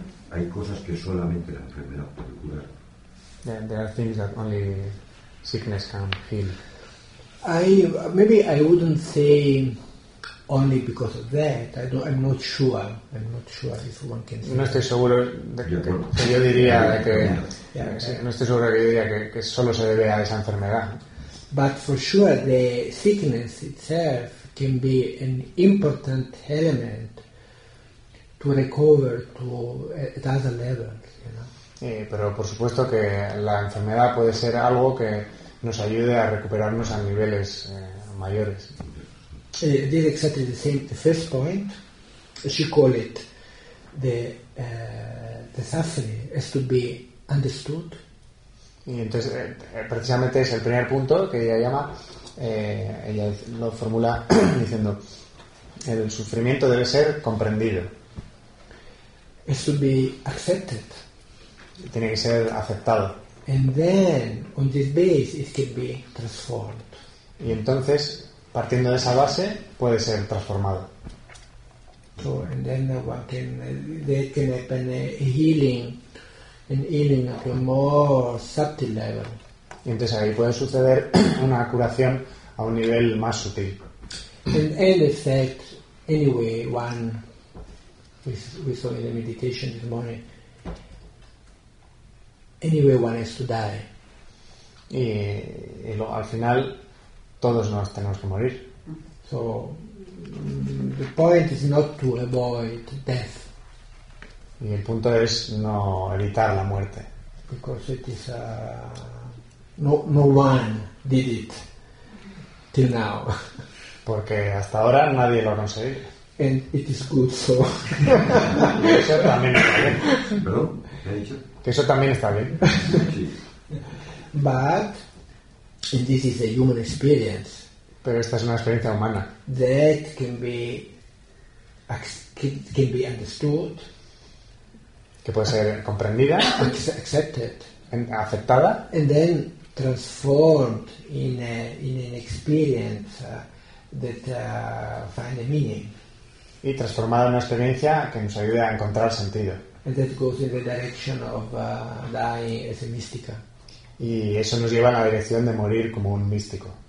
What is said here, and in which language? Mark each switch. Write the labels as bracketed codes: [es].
[es] Hay cosas que solamente la enfermedad puede curar. [en] There are things that only sickness can heal. Maybe I wouldn't say only because of that. I'm not sure if one can say. [es] No estoy seguro de que yo diría que no estoy seguro que diría que solo se debe a esa enfermedad. [en] But for sure the sickness itself can be an important element to recover to at other levels, you know. [es] Sí, pero por supuesto que la enfermedad puede ser algo que nos ayude a recuperarnos a niveles mayores. [en] This is exactly the same. The first point, she call it the suffering has to be understood. [es] Y entonces precisamente es el primer punto que ella llama, ella lo formula diciendo el sufrimiento debe ser comprendido. [en] Has to be accepted. [es] Tiene que ser aceptado. [en] And then on this base it can be transformed. [es] Y entonces partiendo de esa base puede ser transformado. [en] So and then that can happen a healing at a more subtle level. [es] Y entonces ahí puede suceder una curación a un nivel más sutil. [en] And end effect anyway one we saw in the meditation this morning. Anyway, one has to die. [es] Y luego, al final todos nos tenemos que morir. [en] So the point is not to avoid death. [es] Y el punto es no evitar la muerte. [en] Because it is no one did it till now. [es] Porque hasta ahora nadie lo ha conseguido. [en] And it is good so. [es] Eso también está bien. ¿Perdón? ¿Qué ha dicho? Que eso también está bien. [en] But and this is a human experience. [es] Pero esta es una experiencia humana. [en] That can be understood. [es] Que puede ser comprendida. [en] Accepted. [es] Aceptada. [en] And then transformed in an experience that find a meaning. [es] Y transformada en una experiencia que nos ayude a encontrar sentido. [en] And that goes in the direction of dying as a mystica. [es] Y eso nos lleva a la dirección de morir como un místico.